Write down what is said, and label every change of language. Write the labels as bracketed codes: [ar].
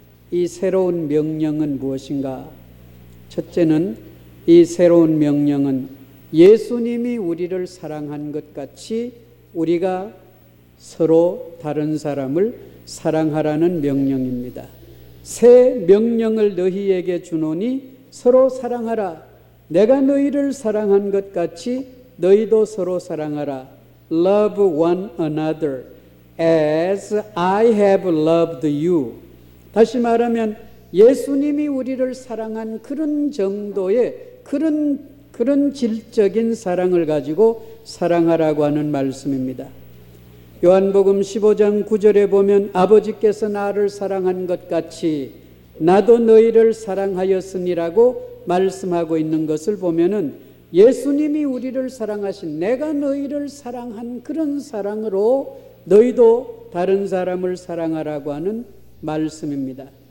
[ko] 이 새로운 명령은 무엇인가? 첫째는 이 새로운 명령은 예수님이 우리를 사랑한 것 같이 우리가 서로 다른 사람을 사랑하라는 명령입니다. 새 명령을 너희에게 주노니 서로 사랑하라. 내가 너희를 사랑한 것 같이 너희도 서로 사랑하라. [en] Love one another as I have loved you. [ko] 다시 말하면 예수님이 우리를 사랑한 그런 정도의 그런 질적인 사랑을 가지고 사랑하라고 하는 말씀입니다. 요한복음 15장 9절에 보면 아버지께서 나를 사랑한 것 같이 나도 너희를 사랑하였으니라고 말씀하고 있는 것을 보면은 예수님이 우리를 사랑하신 내가 너희를 사랑한 그런 사랑으로 너희도 다른 사람을 사랑하라고 하는 말씀입니다.